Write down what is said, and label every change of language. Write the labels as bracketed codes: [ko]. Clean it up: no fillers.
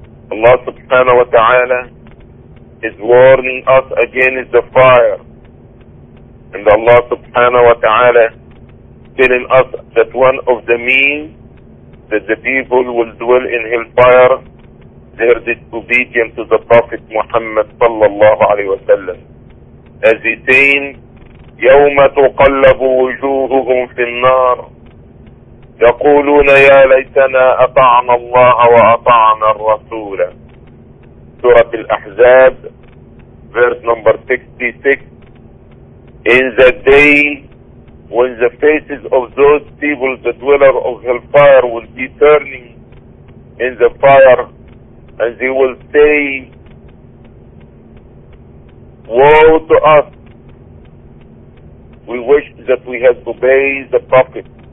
[en] Allah subhanahu wa ta'ala is warning us against the fire. And Allah subhanahu wa ta'ala telling us that one of the means that the people will dwell in hellfire, their disobedience to the Prophet Muhammad sallallahu alayhi wa sallam. As he saying, [ar] يَوْمَ تُقَلَّبُ وُجُوهُهُمْ فِي النَّارِ يقولون يا ليتنا أطعنا الله وأطعنا الرسول. [en] سورة الأحزاب, verse number 66. In the day when the faces of those people, the dweller of hellfire, will be turning in the fire, and they will say, woe to us, we wish that we had obeyed the Prophet.